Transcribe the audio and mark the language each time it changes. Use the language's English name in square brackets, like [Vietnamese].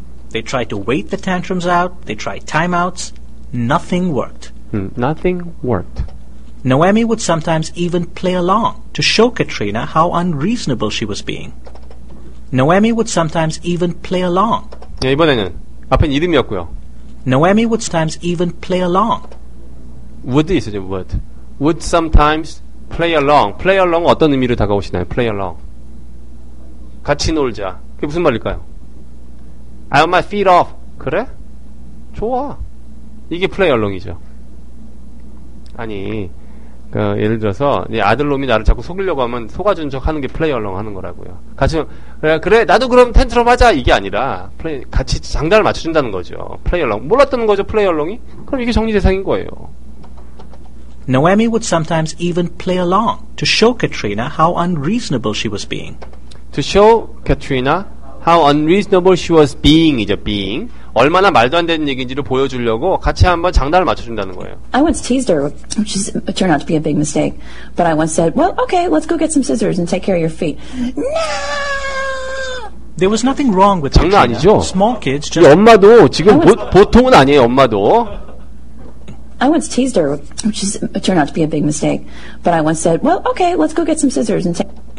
[English] they tried to wait the tantrums out they tried timeouts nothing worked nothing worked Noemi would sometimes even play along to show Katrina how unreasonable she was being Noemi would sometimes even play along [Korean] 예 이번에는 앞엔 이름이었고요 [English] Noemi would sometimes even play along Would [Korean] 있어요, [English] would. Would sometimes play along. [Korean] Play along 어떤 의미로 다가오시나요? Play along. 같이 놀자. 그게 무슨 말일까요? [English] I want my feet off. [Korean] 그래? 좋아. 이게 play along이죠. 아니, 그 예를 들어서 아들놈이 나를 자꾸 속이려고 하면 속아준 척 하는 게 play along 하는 거라고요. 같이 그래 나도 그럼 텐트럼 하자 이게 아니라 play, 같이 장단을 맞춰준다는 거죠. [English] Play along. [Korean] 몰랐다는 거죠, play along이? 그럼 이게 정리 대상인 거예요. [English] Noemi would sometimes even play along to show Katrina how unreasonable she was being. To show Katrina how unreasonable she was being is a being. [Korean] 얼마나 말도 안 되는 얘기인지를 보여주려고 같이 한번 장단을 맞춰준다는 거예요. [English] I once teased her, which turned out to be a big mistake. But I once said, well, okay, let's go get some scissors and take care of your feet. No! There was nothing wrong with [Korean] Katrina. 장난 아니죠? [English] Small kids just... [Korean] 이 엄마도 지금 보통은 아니에요, 엄마도. [English] I once teased her, which turned out to be a big mistake. But I once said, "Well, okay, let's go get some scissors and take."